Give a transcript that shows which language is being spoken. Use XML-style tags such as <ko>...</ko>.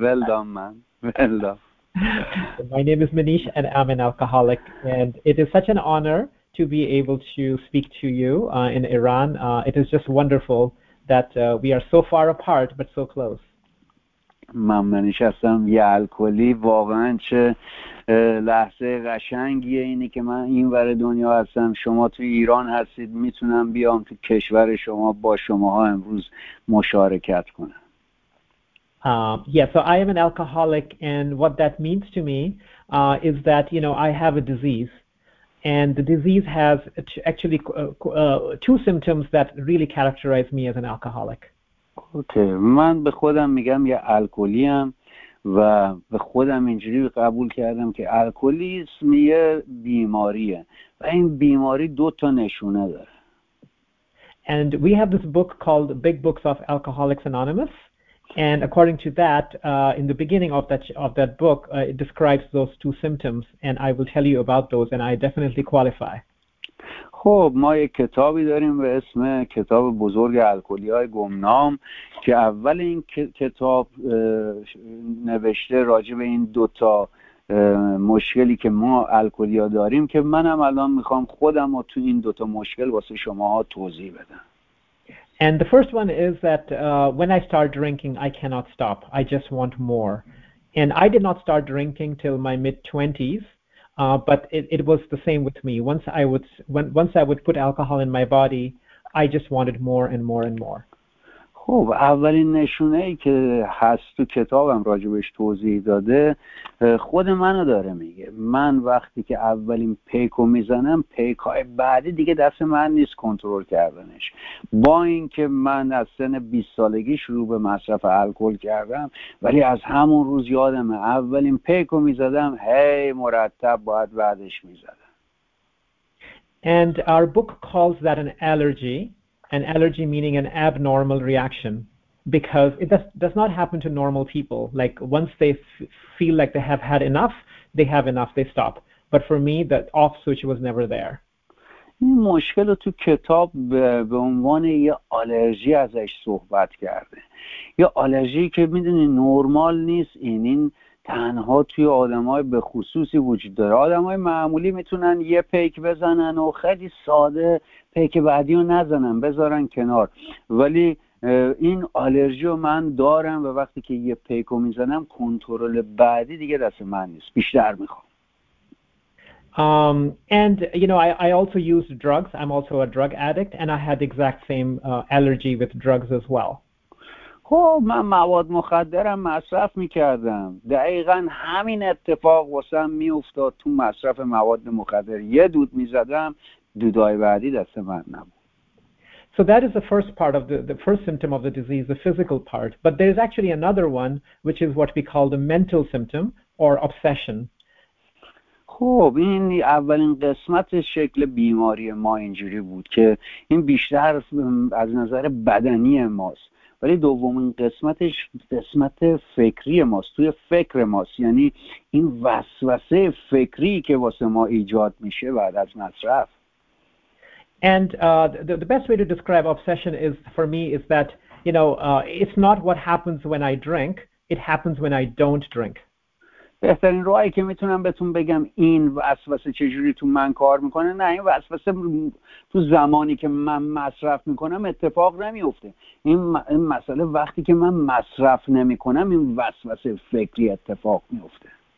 <en>Well done, man. Well done. My name is Manish and I'm an alcoholic. And it is such an honor to be able to speak to you in Iran. It is just wonderful that we are so far apart but so close.</en> <fa>من منیش هستم. یه الکلی. واقعا چه لحظه قشنگیه اینی که من این ور دنیا هستم، شما تو ایران هستید، میتونم بیام تو کشور شما با شماها امروز مشارکت کنم.</fa> <en>Yeah, so I am an alcoholic and what that means to me is that, you know, I have a disease and the disease has actually two symptoms that really characterize me as an alcoholic.</en> <fa>اوکی، من به خودم میگم یه الکلی ام و به خودم اینجوری قبول کردم که الکلیسم یه بیماریه و این بیماری دو تا نشونه داره.</fa> <en>And we have this book called Big Books of Alcoholics Anonymous, and according to that in the beginning of that book it describes those two symptoms, and I will tell you about those and I definitely qualify.</en> <fa>خب ما یک کتابی داریم به اسم کتاب بزرگ الکلی‌های گمنام که اول این کتاب نوشته راجع به این دوتا مشکلی که ما الکلی‌ها داریم که منم الان میخوام خودم رو تو این دوتا مشکل واسه شما ها توضیح بدم.</fa> <en>And the first one is that when I start drinking I cannot stop. I just want more. And I did not start drinking till my mid-20s. But it was the same with me. Once I would put alcohol in my body, I just wanted more and more and more.</en> <fa>خب اولین نشونه ای که هست تو کتابم راجبش توضیح داده خود منو داره میگه. من وقتی که اولین پیکو میزنم، پیکای بعدی دیگه دست من نیست کنترل کردنش. با اینکه من از سن 20 سالگی شروع به مصرف الکل کردم، ولی از همون روز یادمه اولین پیکو میزدم، هی مرتب باید بعدش میزدم.</fa> <en>And our book calls that an allergy. An allergy meaning an abnormal reaction, because it does not happen to normal people. Like once they feel like they have had enough, they have enough, they stop. But for me, that off switch was never there.</en> <fa>این مشکل رو تو کتاب به عنوان یه آلرژی ازش صحبت کرده. یه آلرژی که میدونی نرمال نیست. این تنها توی آدمای به خصوصی وجود داره. آدمای معمولی میتونن یه پیک بزنن و خیلی ساده پیک بعدی رو نزنن، بذارن کنار. ولی این آلرژی رو من دارم و وقتی که یه پیک رو میزنم کنترل بعدی دیگه دست من نیست. بیشتر میخوام.</fa> <en>And you know, I also use drugs. I'm also a drug addict and I had the exact same allergy with drugs as well.</en> <fa>خب من مواد مخدرم مصرف میکردم، دقیقا همین اتفاق واسم میافتاد تو مصرف مواد مخدر. یه دود میزدم، دودای بعدی دست من نبود.</fa> <en>So that is the first part of the first symptom of the disease, the physical part. But there is actually another one, which is what we call the mental symptom or obsession.</en> <fa>خب این اولین قسمت شکل بیماری ما اینجوری بود که این بیشتر از نظر بدنی ماست، ولی دومین قسمتش قسمت فکری ماست، توی فکر ماست. یعنی این وسوسه فکری که واسه ما ایجاد میشه بعد از مصرف.</fa> <en>And the best way to describe obsession is for me is that, you know, it's not what happens when I drink, it happens when I don't drink.</en> <fa>بهترین راهی که میتونم بهتون بگم این وسوسه چجوری تو من کار میکنه، نه این وسوسه تو زمانی که من مصرف میکنم اتفاق نمیفته، این مسئله وقتی که من مصرف نمیکنم این وسوسه فکری اتفاق میفته.</fa>